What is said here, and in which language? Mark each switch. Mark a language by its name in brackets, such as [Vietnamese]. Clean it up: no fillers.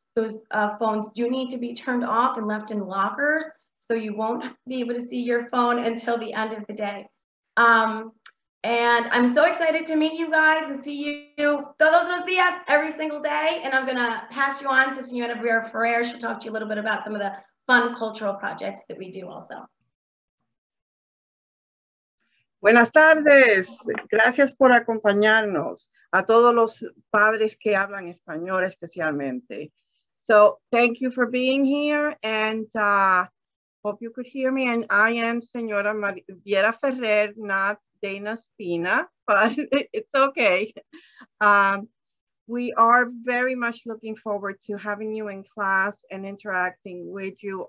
[English] Those phones do need to be turned off and left in lockers, so you won't be able to see your phone until the end of the day. And I'm so excited to meet you guys and see you [Spanish] todos los días, [English] every single day. And I'm going to pass you on to Señora Vieira Ferrer. She'll talk to you a little bit about some of the fun cultural projects that we do also. [Spanish] Buenas tardes. Gracias por acompañarnos. A todos los padres que hablan español especialmente. [English] So thank you for being here. And hope you could hear me. And I am Señora Vieira Ferrer, not Dana Spina, but it's okay. We are very much looking forward to having you in class and interacting with you.